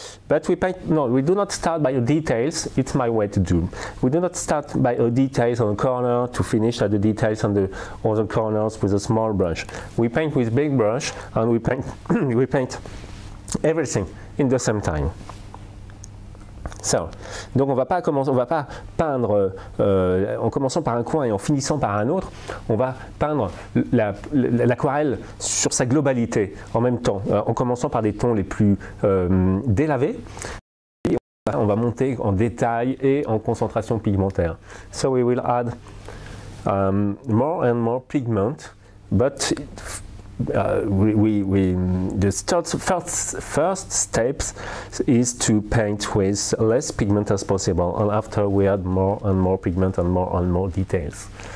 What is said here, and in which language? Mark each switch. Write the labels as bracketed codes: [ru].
[en] But we do not start by the details. It's my way to do. We do not start by the details on the corner to finish at the details on the other corners with a small brush. We paint with big brush and we paint everything in the same time. [fr] So, donc on va pas peindre en commençant par un coin et en finissant par un autre, on va peindre l'aquarelle sur sa globalité en même temps, en commençant par des tons les plus délavés, et on va monter en détail et en concentration pigmentaire. [en] So we will add more and more pigment, but the first steps is to paint with less pigment as possible, and after we add more and more pigment and more details.